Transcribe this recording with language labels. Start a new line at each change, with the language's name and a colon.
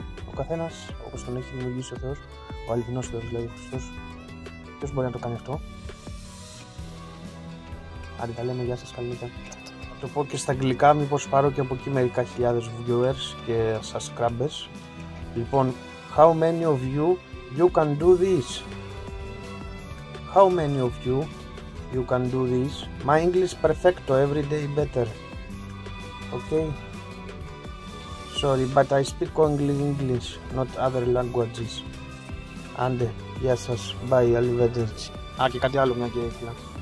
Greek: Ο καθένας, όπως τον έχει δημιουργήσει ο Θεός, ο αληθινός Θεός δηλαδή, ο Χριστός, ποιος μπορεί να το κάνει αυτό. Άντε τα λέμε, γεια σας, καλή νύχτα. Θα το πω και στα αγγλικά, μήπως πάρω και από εκεί μερικά χιλιάδες viewers και subscribers. Λοιπόν,
English: how many of you can do this? How many of you can do this? My English perfecto, every day better. Okay? Sorry, but I speak only English, not other languages.
Greek: Άντε, γεια σας, bye, αλιβέντερτσι. Α, και κάτι άλλο, μια και έφυλα.